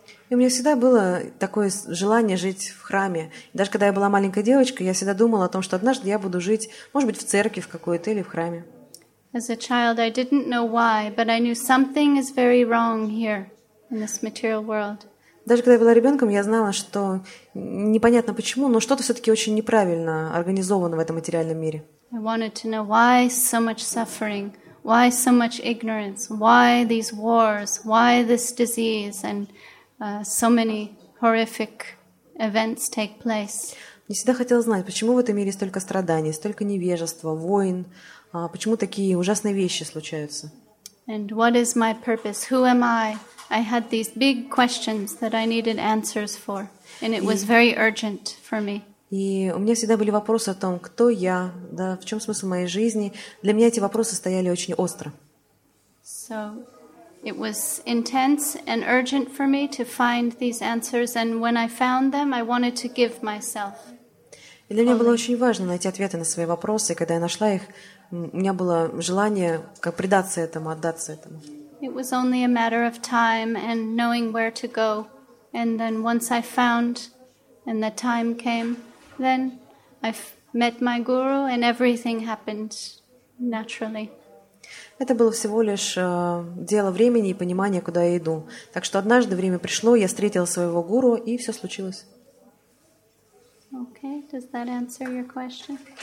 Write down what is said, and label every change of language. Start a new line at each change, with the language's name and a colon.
Russian: У меня всегда было такое желание жить в храме. Даже когда я была маленькой девочкой, я всегда думала о том, что однажды я буду жить, может быть, в церкви в какой-то или в храме.
English: As a child, I didn't know why, but I knew something is very wrong here in this material world.
Russian: Даже когда я была ребенком, я знала, что непонятно почему, но что-то все-таки очень неправильно организовано в этом материальном мире.
English: I wanted to know why so much suffering, why so much ignorance, why these wars, why this disease, and so many horrific events take place.
Russian: Не всегда хотела знать, почему в этом мире столько страданий, столько невежества, войн. Почему такие ужасные вещи случаются?
English: And what is my purpose? Who am I? I had these big questions that I needed answers for, and it was very urgent for me.
Russian: И у меня всегда были вопросы о том, кто я, да, в чем смысл моей жизни. Для меня эти вопросы стояли очень остро.
English: So it was intense and urgent for me to find these answers, and when I found them, I wanted to give myself.
Russian: И для меня было очень важно найти ответы на свои вопросы, и когда я нашла их, у меня было желание как предаться этому, отдаться этому.
English: It was only a matter of time and knowing where to go. And then once I found and the time came, then I met my guru and everything happened naturally.
Russian: Это было всего лишь дело времени и понимания, куда я иду. Так что однажды время пришло, я встретила своего гуру, и все случилось.
English: Okay, does that answer your question?